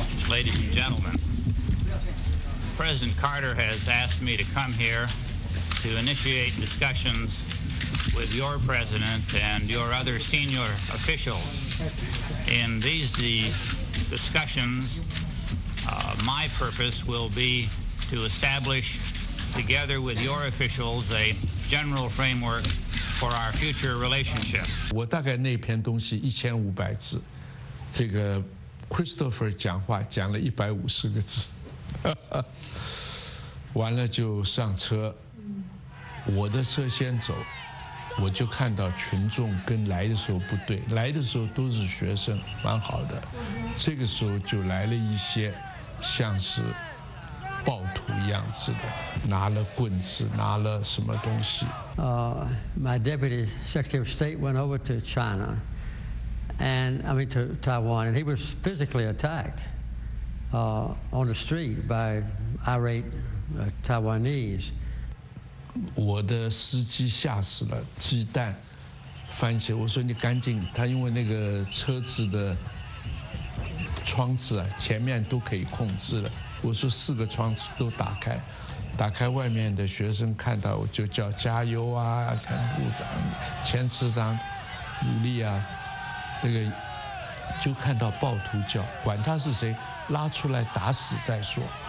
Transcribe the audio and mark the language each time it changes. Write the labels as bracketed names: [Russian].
[English] Ladies and gentlemen, President Carter has asked me to come here to initiate discussions with your president and your other senior officials. In these discussions, my purpose will be to establish, together with your officials, a general frameworkfor our future relationship. [Chinese] 我大概那篇东西1500字，这个 Christopher 讲话讲了150个字，完了就上车，我的车先走，我就看到群众跟来的时候不对，来的时候都是学生，蛮好的，这个时候就来了一些像是暴徒一样子的，拿了棍子，拿了什么东西。 [English] My deputy secretary of state went over to China, and I mean to Taiwan, and he was physically attacked on the street by irate Taiwanese. [Chinese] 我的司机吓死了，鸡蛋翻起，我说你赶紧，他因为那个车子的窗子啊，前面都可以控制了。我说四个窗子都打开，打开外面的学生看到我就叫加油啊，前部长、前次长努力啊，那个就看到暴徒叫，管他是谁，拉出来打死再说。